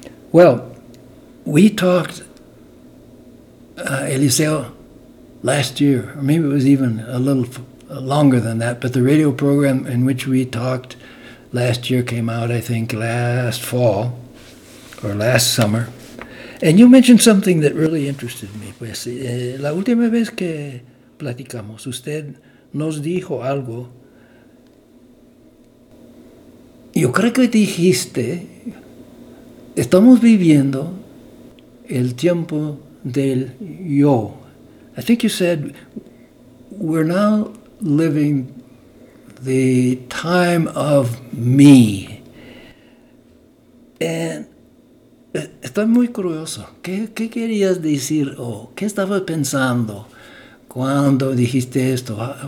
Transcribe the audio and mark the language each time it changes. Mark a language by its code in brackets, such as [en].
[en] Well, we talked, Eliseo, last year, or maybe it was even a little longer than that, but the radio program in which we talked last year came out, I think, last fall or last summer. And you mentioned something that really interested me, pues. [es] La última vez que platicamos, usted nos dijo algo. Yo creo que dijiste, estamos viviendo el tiempo del yo. [en] I think you said, we're now living the time of me. [es] And estoy muy curioso. ¿Qué querías decir? ¿Qué estaba pensando cuando dijiste esto?